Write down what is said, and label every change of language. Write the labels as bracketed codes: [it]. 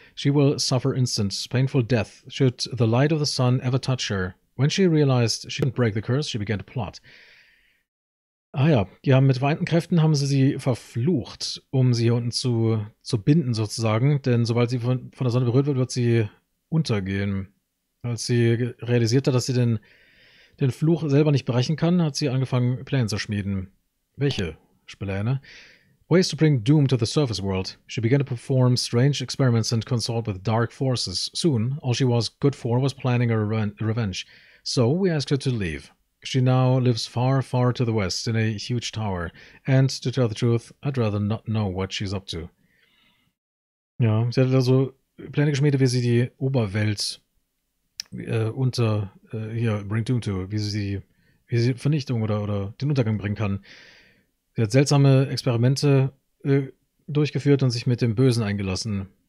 [en] She will suffer instant, painful death, should the light of the sun ever touch her. When she realized she couldn't break the curse, she began to plot. [de] Ah ja, die haben mit vereinten Kräften haben sie verflucht, um sie hier unten zu binden sozusagen, denn sobald sie von der Sonne berührt wird, wird sie untergehen. Als sie realisiert hat, dass sie den Fluch selber nicht brechen kann, hat sie angefangen, Pläne zu schmieden. Welche Pläne? [en] Ways to bring doom to the surface world. She began to perform strange experiments and consort with dark forces. Soon, all she was good for was planning a revenge. So, we asked her to leave. She now lives far, far to the west in a huge tower. And, to tell the truth, I'd rather not know what she's up to. [de] Ja, sie hat also Pläne geschmiedet, wie sie die Oberwelt [en] bring doom to, [de] wie sie Vernichtung oder den Untergang bringen kann. Sie hat seltsame Experimente durchgeführt und sich mit dem Bösen eingelassen.